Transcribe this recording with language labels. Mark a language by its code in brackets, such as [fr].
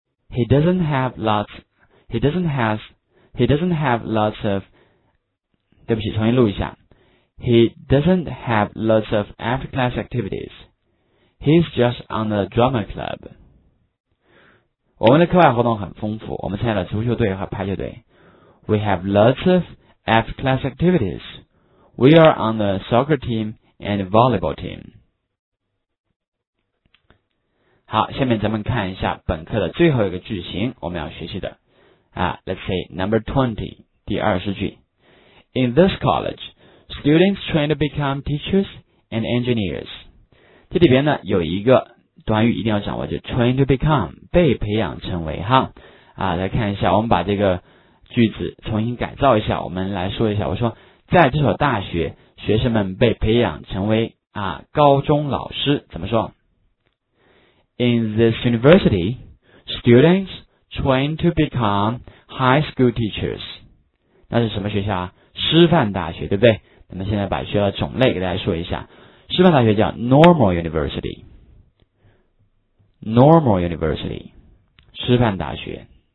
[en] He doesn't have lots of after class activities. He's just on the drama club. [zh] 我们的课外活动很丰富，我们参加了足球队和排球队。 [en] We have lots of after class activities. We are on the soccer team and volleyball team. [zh] 好，下面咱们看一下本课的最后一个句型，我们要学习的啊。 [en] Let's say number 20, [zh] 第二十句。 [en] In this college, students train to become teachers and engineers. [zh] 这里边呢有一个短语一定要掌握，就 train to become, 被培养成为哈。啊，来看一下，我们把这个句子重新改造一下，我们来说一下。我说，在这所大学，学生们被培养成为啊高中老师，怎么说？ [en] In this university, students train to become high school teachers. [zh] 那是什么学校啊？师范大学，对不对？那么现在把学校的种类给大家说一下。师范大学叫 normal university. [en] Normal university. [zh] 师范大学。